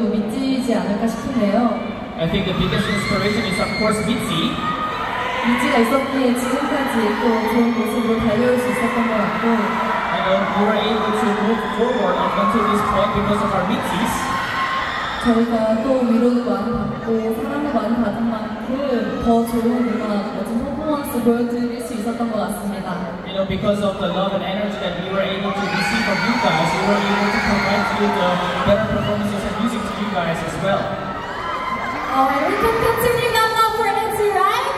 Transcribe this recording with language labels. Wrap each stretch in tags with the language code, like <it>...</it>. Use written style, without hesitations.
<en>I think the biggest inspiration is of course ITZY.</en> <ko>ITZY가 있었기에 지금까지 또 좋은 모습으로 달려올 수 있었던 것 같고.</ko> <en>And we were able to move forward up until this point because of our ITZYs.</en> <ko>저희가 또 위로도 많이 받고 사랑도 많이 받은 만큼 더 좋은 음악, 더 좋은 퍼포먼스 보여드릴 수 있었던 것 같습니다.</ko> <en>You know, because of the love and energy that we were able to receive from you guys, we were able to provide you the better performances and music to you guys as well. Oh, and we can continue that love for ITZY, right?</en>